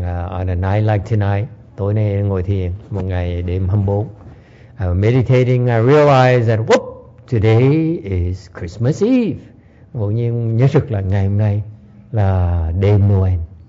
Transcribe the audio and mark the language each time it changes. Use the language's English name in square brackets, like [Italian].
[English] On a night like tonight, [Vietnamese] tối nay ngồi thiền một ngày đêm 24. [English] I was meditating. I realized that whoop, today is Christmas Eve. [Vietnamese] Ngẫu nhiên nhớ rực là ngày hôm nay là đêm Noel.